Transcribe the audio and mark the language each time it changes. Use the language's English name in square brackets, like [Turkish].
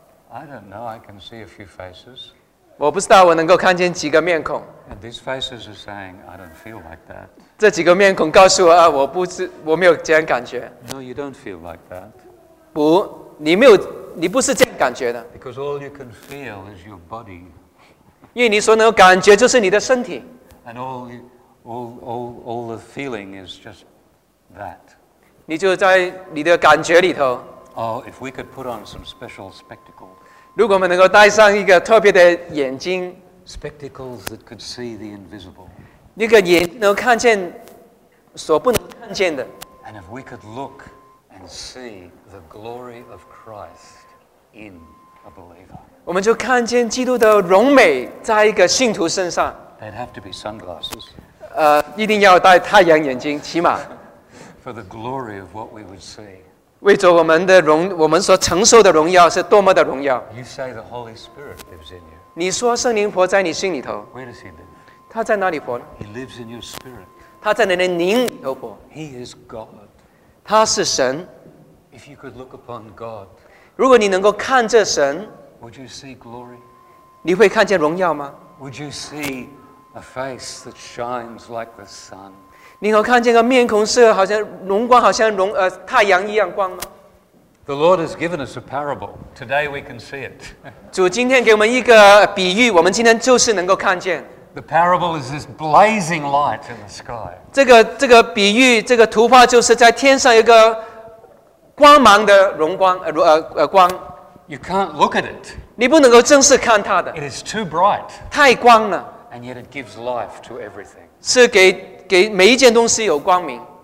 [English] I don't know, I can see a few faces, [Chinese] 我不知道我能够看见几个面孔 [English] and these faces are saying, I don't feel like that, [Chinese] 这几个面孔告诉我、啊、我没有这样感觉 [English] no, you don't feel like that, [Chinese] 不你没有，你不是这样感觉的。 [English] Because all you can feel is your body. [Chinese] 因为你所能够感觉就是你的身体。 [English] And all the feeling is just that. [Chinese] 你就在你的感觉里头。 [English] Oh, if we could put on some special spectacles. [Chinese] 如果我们能够戴上一个特别的眼睛。 [English] Spectacles that could see the invisible. [Chinese] 那个眼睛能看见所不能看见的。 [English] And if we could look. And see the glory of Christ in a believer. [Chinese] 我们就看见基督的荣美在一个信徒身上。 [English] They'd have to be sunglasses. [Chinese] 一定要戴太阳眼镜，起码。 [English] For the glory of what we would see. [Chinese] 为着我们的荣，我们所承受的荣耀是多么的荣耀。 [English] You say the Holy Spirit lives in you. [Chinese] 你说圣灵活在你心里头。 [English] Where does he live? [Chinese] 他在哪里活呢 [English] ？He lives in your spirit. [Chinese] 他在你的灵里头活。 [English] He is God. [Chinese] 他是神。 [English] If you could look upon God, [Chinese] 如果你能够看着神 [English] would you see glory? [Chinese] 你会看见荣耀吗 [English] would you see a face that shines like the sun? [Chinese] 你能看见个面孔是好像荣光好像荣、太阳一样光吗 [English] The Lord has given us a parable. Today we can see it. [Chinese] 主今天给我们一个比喻我们今天就是能够看见。 [English] The parable is this blazing light in the sky. [Chinese] 这个比喻，这个图画就是在天上一个光芒的荣光，光。 [English] You can't look at it. [Chinese] 你不能够正视看它的。 [English] It is too bright. [Chinese] 太光了。 [English] And yet it gives life to everything. [Chinese] 是给每一件东西有光明。